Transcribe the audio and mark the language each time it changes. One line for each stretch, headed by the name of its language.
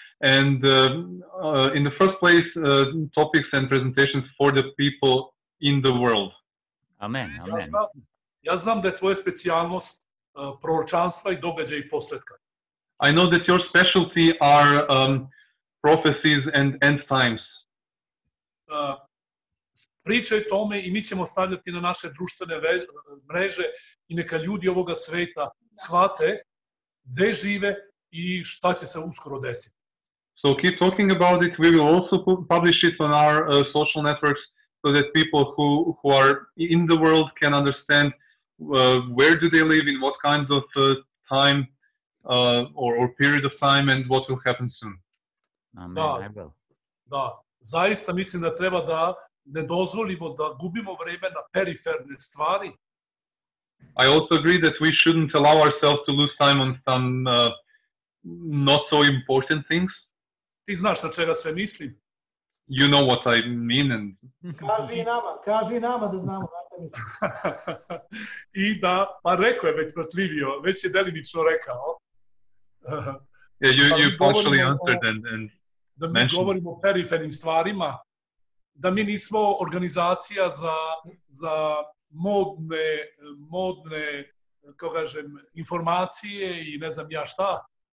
English: And in the first place, topics and presentations for the people in the world. Amen, amen.
Serbian: Ja znam da je tvoja specijalnost proročanstva i događaja i posletka.
English: I know that your specialty are prophecies and end times.
Serbian: pričaj tome i mi ćemo stavljati na naše društvene mreže i neka ljudi ovoga sveta shvate gde žive i šta će se uskoro desiti.
English: So keep talking about it. We will also publish it on our social networks so that people who are in the world can understand where do they live, in what kind of time or period of time, and what will happen soon. Amen. Da, I will.
Serbian: Da, zaista mislim da treba da ne dozvolimo da gubimo vreme na periferne stvari.
English: I also agree that we shouldn't allow ourselves to lose time on some not so important things.
Serbian: Ti znaš na čega sve mislim.
English: You know what I mean. And...
Serbian: kaži nama da znamo na šta mislim. I da, pa rekao je već protivio, već je delimično rekao.
English: Yeah, you partially answered and
Serbian: da mi govorimo o perifernim stvarima, da mi nismo organizacija za modne, kažem, informacije i ne znam ja šta.